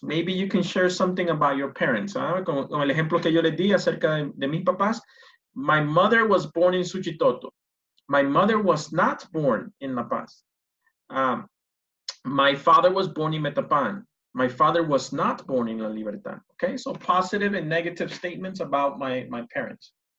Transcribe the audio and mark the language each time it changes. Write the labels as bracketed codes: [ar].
[en] Maybe you can share something about your parents. [es] Con el ejemplo que yo les di acerca de mis papás. [en] My mother was born in Suchitoto. My mother was not born in La Paz. My father was born in Metapan. My father was not born in La Libertad. Okay, so positive and negative statements about my parents.